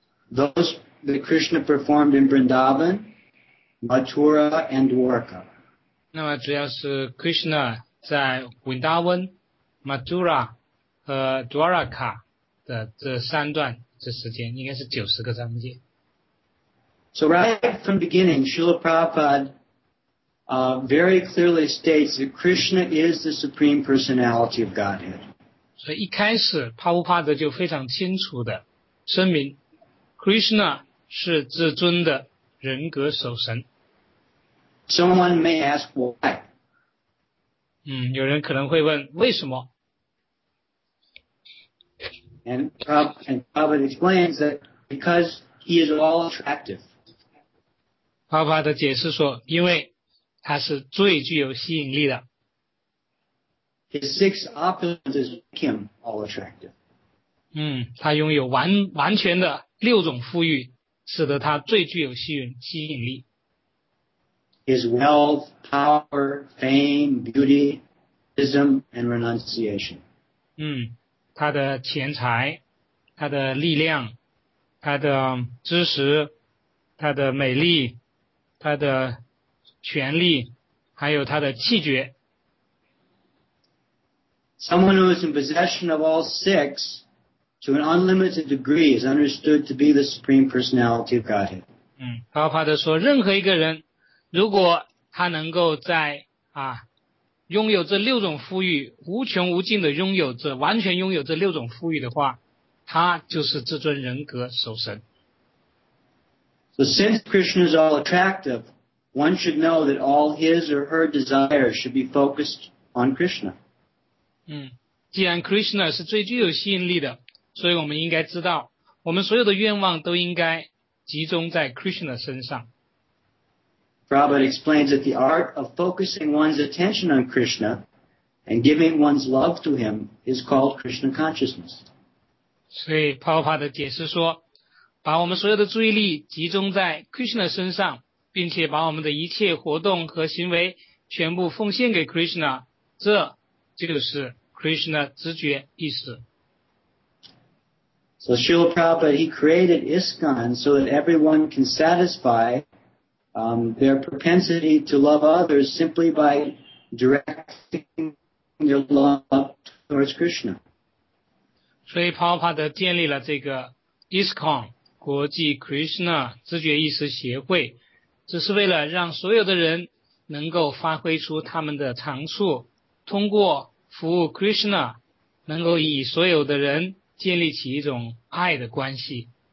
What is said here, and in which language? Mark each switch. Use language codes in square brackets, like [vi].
[en] Those that Krishna performed in Vrindavan Mathura and Dwarka [zh] 那么主要是 Krishna 在 Vrindavan Mathura 和 Dwarka 的这三段这时间应该是90个章节 [en] So right from beginning Srila PrabhupadaVery clearly states that Krishna is the Supreme Personality of Godhead. [zh] 所以一开始帕布帕德就非常清楚的声明 Krishna 是至尊的人格守神。 [en] Someone may ask why. [zh] 有人可能会问为什么。 [en] And Prabhupada explains that because he is all attractive. [zh] Prabhupada 的解释说，因为他是最具有吸引力的。 [en] His six opulences make him all attractive. [zh] 他拥有完全的六种富裕，使得他最具有吸引力。 [en] His wealth, power, fame, beauty, wisdom, and renunciation. [zh] 他的钱财，他的力量，他的知识，他的美丽，他的权力，还有他的气节。 [en] Someone who is in possession of all six to an unlimited degree is understood to be the Supreme Personality of Godhead. [zh] Prabhupada 说，任何一个人如果他能够在拥有这六种富裕，无穷无尽的拥有这完全拥有这六种富裕的话，他就是这尊人格守神。 [en] So since Krishna is all attractive, one should know that all his or her desires should be focused on Krishna. [zh] 既然 Krishna 是最具有吸引力的，所以我们应该知道，我们所有的愿望都应该集中在 Krishna 身上。 [en] Prabhupada explains that the art of focusing one's attention on Krishna and giving one's love to him is called Krishna consciousness. [zh] 所以 Prabhupada 解释说，把我们所有的注意力集中在 Krishna 身上，并且把我们的一切活动和行为全部奉献给 Krishna， 这就是 Krishna 知觉意识。 [en] So Srila Prabhupada, he created ISKCON so that everyone can satisfy their propensity to love others simply by directing their love towards Krishna. [zh] 所以 Prabhupada 建立了这个 ISKCON 国际 Krishna 知觉意识协会，只是为了让所有的人能够发挥出他们的长处，通过服务 Krishna， 能够以所有的人建立起一种爱的关系。